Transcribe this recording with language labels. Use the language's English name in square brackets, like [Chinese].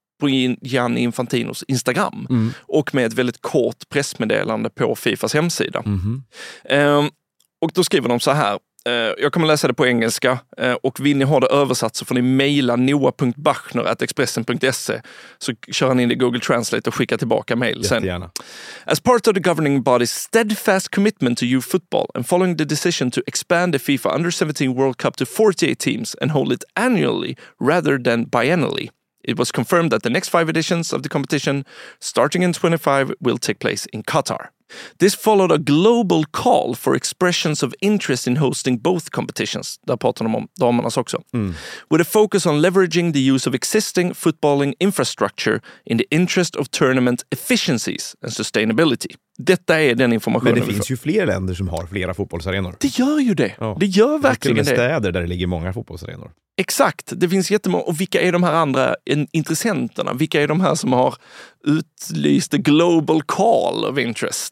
[Swedish] på Gianni Infantinos Instagram. Mm. Och med ett väldigt kort pressmeddelande på FIFAs hemsida. Mm. Och då skriver de så här. Jag kommer läsa det på engelska. Och vill ni ha det översatt så får ni mejla noah.bachner@expressen.se. Så kör han in i Google Translate och skickar tillbaka mejl sen. Jättegärna. [English] As part of the governing body's steadfast commitment to youth football and following the decision to expand the FIFA Under-17 World Cup to 48 teams and hold it annually rather than biennially, it was confirmed that the next 5 editions of the competition, starting in 25, will take place in Qatar. This followed a global call for expressions of interest in hosting both competitions, [Swedish] där pratar de om damernas också, mm, [English] with a focus on leveraging the use of existing footballing infrastructure in the interest of tournament efficiencies and sustainability. [Swedish] Detta är den informationen. Men det finns ju fler länder som har flera fotbollsarenor. Det gör ju det. Ja. Det gör verkligen det. Det är städer där det ligger många fotbollsarenor. Exakt. Det finns jättemånga. Och vilka är de här andra intressenterna? Vilka är de här som har utlyst [English] the global call of interest?